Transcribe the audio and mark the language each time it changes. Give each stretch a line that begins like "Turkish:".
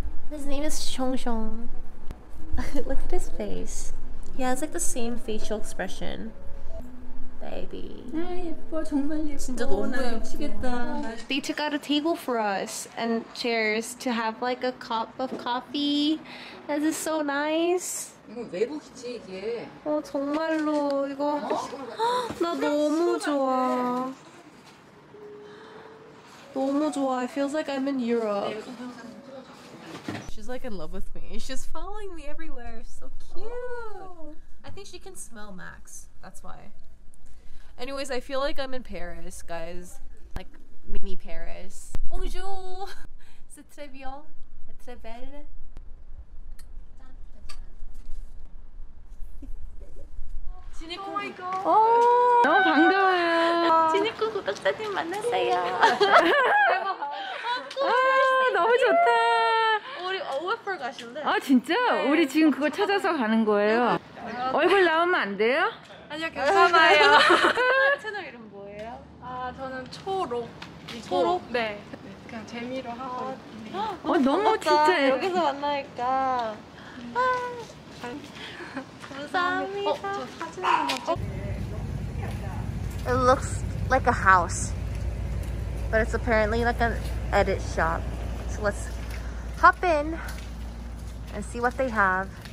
English: His name is Chongchong. Look at his face. He has like the same facial expression. Baby. They took out a table for us and chairs to have like a cup of coffee. This is so nice.
Korean: 이거 왜 먹지 이게? 어 정말로 이거 나 너무 좋아. 너무 좋아.
English: It feels like I'm in Europe. She's like in love with me. She's following me everywhere. So cute. I think she can smell Max. That's why. Anyways, I feel like I'm in Paris, guys. Like mini Paris.
French: Bonjour. C'est très bien. C'est très belle.
English: Oh my god! Oh, I'm so happy.
Korean: OFR 가신대. 아 진짜? 네. 우리 지금 그거 찾아서 가는 거예요? 얼굴 나오면 안 돼요? 아니요, 괜찮아요. 채널 이름 뭐예요? 아 저는 초록. 초록? 네. 그냥 재미로 하고 있네요. 어, 너무 진짜 여기서 만나니까.
English: It looks like a house, but it's apparently like an edit shop. So let's hop in and see what they have.